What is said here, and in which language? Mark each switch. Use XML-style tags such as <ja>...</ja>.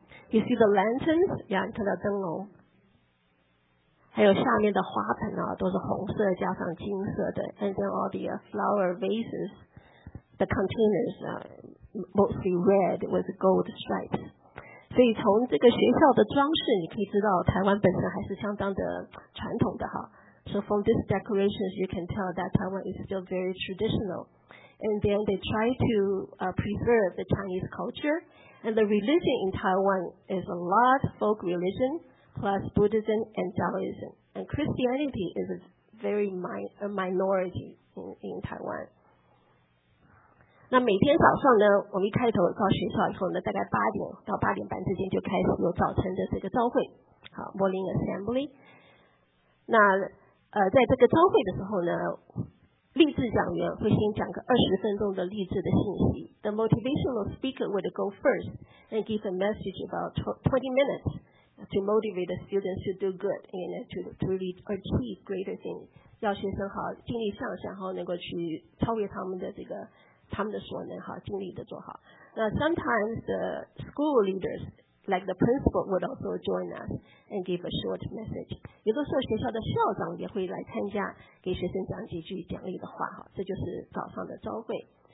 <en>You see the lanterns? Yeah,</en> <zh>看到灯笼。还有下面的花盆啊，都是红色加上金色的</zh> <en>，and then all the flower vases, the containers are mostly red with gold stripes.</en> <zh>所以从这个学校的装饰，你可以知道台湾本身还是相当的传统的哈。</zh> <en>So from these decorations, you can tell that Taiwan is still very traditional. And then they try to preserve the Chinese culture, and the religion in Taiwan is a lot folk religion. Plus Buddhism and Taoism. And Christianity is a very minority in Taiwan.</en> <zh>那每天早上呢，我们一开头到学校以后呢，大概八点到八点半之间就开始有早晨的这个召会，好 ，</zh> <en>Morning Assembly.</en> <zh>那在这个召会的时候呢，励志讲员会先讲个二十分钟的励志的信息。</zh> <en>The motivational speaker would go first and give a message about 20 minutes. To motivate the students to do good and to achieve greater things,</en> <zh>要学生好尽力向上，然后能够去超越他们的这个他们的所能，好尽力的做好。</zh> <en>那 sometimes the school leaders, like the principal, would also join us and give a short message.</en> <zh>有的时候学校的校长也会来参加，给学生讲几句奖励的话，哈，这就是早上的召会。</zh>